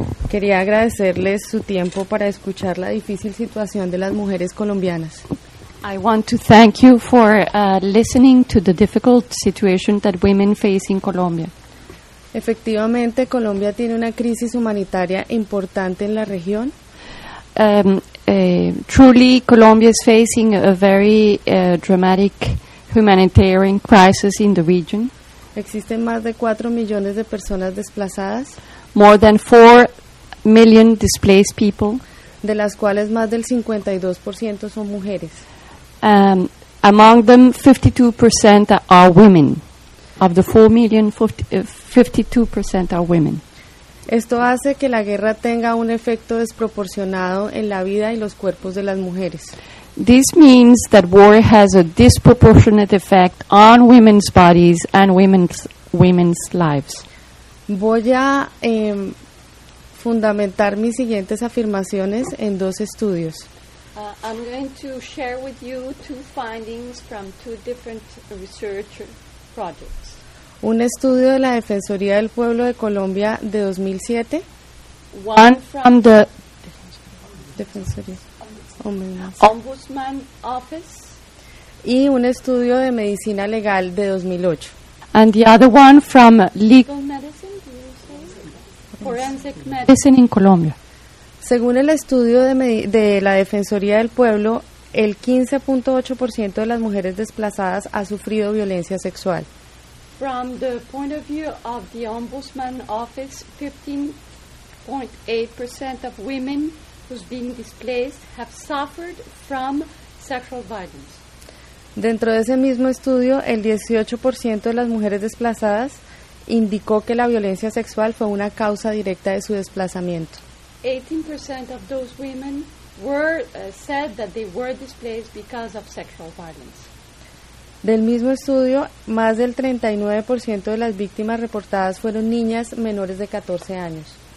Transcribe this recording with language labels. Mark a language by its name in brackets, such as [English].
[Spanish] Quería agradecerles su tiempo para escuchar la difícil situación de las mujeres colombianas. [English] I want to thank you for listening to the difficult situation that women face in Colombia. [Spanish] Efectivamente, Colombia tiene una crisis humanitaria importante en la región. [English] Truly, Colombia is facing a very dramatic humanitarian crisis in the region. [Spanish] Existen más de 4 millones de personas desplazadas. [English] More than 4 million displaced people. [Spanish] De las cuales más del 52% son mujeres. [English] Among them, 52% are women. Of the 4 million, 52% are women. [Spanish] Esto hace que la guerra tenga un efecto desproporcionado en la vida y los cuerpos de las mujeres. [English] This means that war has a disproportionate effect on women's bodies and women's lives. [Spanish] Voy a fundamentar mis siguientes afirmaciones en 2 estudios. [English] I'm going to share with you 2 findings from 2 different research projects. [Spanish] Un estudio de la Defensoría del Pueblo de Colombia de 2007. [English] One from the [Spanish] Defensoría. [English] Ombudsman Office. [Spanish] Y un estudio de Medicina Legal de 2008. [English] And the other one from Legal Medicine, Forensic Medicine in Colombia. [Spanish] Según el estudio de la Defensoría del Pueblo, el 15.8% de las mujeres desplazadas ha sufrido violencia sexual. [English] From the point of view of the Ombudsman Office, 15.8% of women who's been displaced have suffered from sexual violence. [Spanish] Dentro de ese mismo estudio, el 18% de las mujeres desplazadas indicó que la violencia sexual fue una causa directa de su desplazamiento. [English] 18% of those women were said that they were displaced because of sexual violence. [Spanish] Del mismo estudio, más del 39% de las víctimas reportadas fueron niñas menores de 14 años.